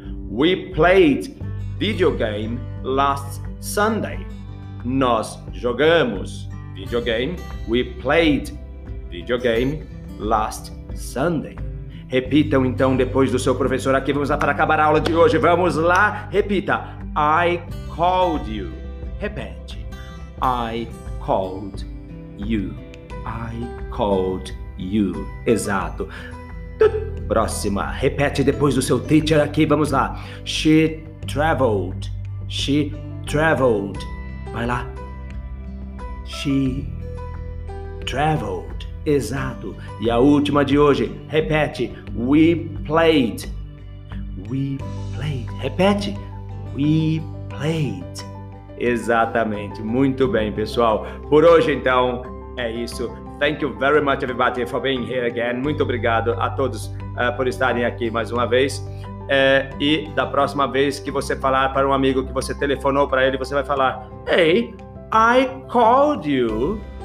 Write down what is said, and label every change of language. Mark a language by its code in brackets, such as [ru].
[en] We played video game last Sunday. [pt] Nós jogamos video game. [en] We played video game last Sunday. [pt] Repitam então depois do seu professor aqui. Vamos lá para acabar a aula de hoje. Vamos lá. Repita. [en] I called you. [pt] Repete. [en] I called you. I called you. [pt] Exato. Próxima. Repete depois do seu teacher aqui. Vamos lá. [en] She traveled. She traveled. [pt] Vai lá. [en] She traveled. [pt] Exato. E a última de hoje. Repete. [en] We played. We played. [pt] Repete. [en] We played. [pt] Exatamente. Muito bem, pessoal. Por hoje, então, é isso. [en] Thank you very much, everybody, for being here again. [pt] Muito obrigado a todos por estarem aqui mais uma vez. E da próxima vez que você falar para um amigo que você telefonou para ele, você vai falar, [en] hey, I called you.